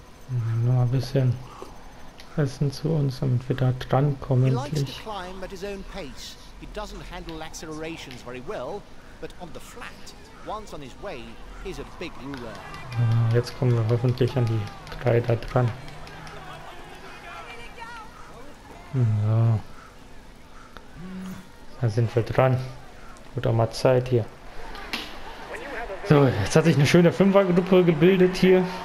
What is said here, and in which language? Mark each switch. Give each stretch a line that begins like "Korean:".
German: ein bisschen Essen zu uns, damit wir da dran kommen.
English: He likes to climb at his own pace. He doesn't handle accelerations very well, but on the flat, once on his way, he's a big ruler.
German: Jetzt kommen wir hoffentlich an die drei da dran. So. Da sind wir dran. Wird auch mal Zeit hier. So, jetzt hat sich eine schöne Fünfergruppe gebildet hier.